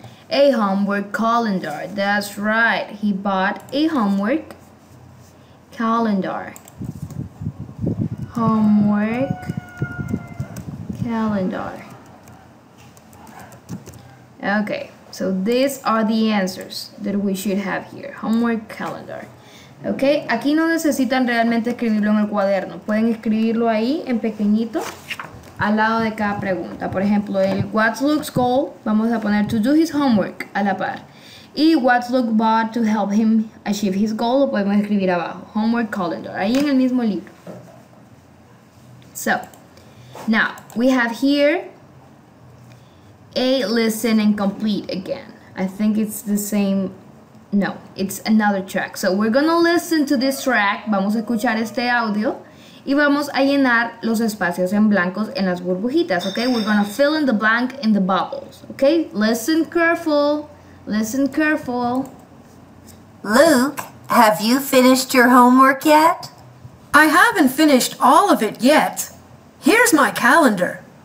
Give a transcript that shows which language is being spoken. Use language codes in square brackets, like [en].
[en] A homework calendar. That's right. He bought a homework calendar. Homework calendar. Okay, so these are the answers that we should have here. Homework calendar. [es] Okay, aquí no necesitan realmente escribirlo en el cuaderno. Pueden escribirlo ahí en pequeñito al lado de cada pregunta. Por ejemplo, el [en] what's Luke's goal, [es] vamos a poner [en] to do his homework [es] a la par. Y [en] what's Luke bought to help him achieve his goal, [es] lo podemos escribir abajo. [en] Homework calendar, [es] ahí en el mismo libro. [en] So, now we have here a listen and complete again. I think it's the same. No, it's another track. So we're gonna listen to this track. [es] Vamos a escuchar este audio. Y vamos a llenar los espacios en blancos en las burbujitas, okay? [en] We're gonna fill in the blank in the bubbles, okay? Listen careful. Listen careful. Luke, have you finished your homework yet? I haven't finished all of it yet. Here's my calendar.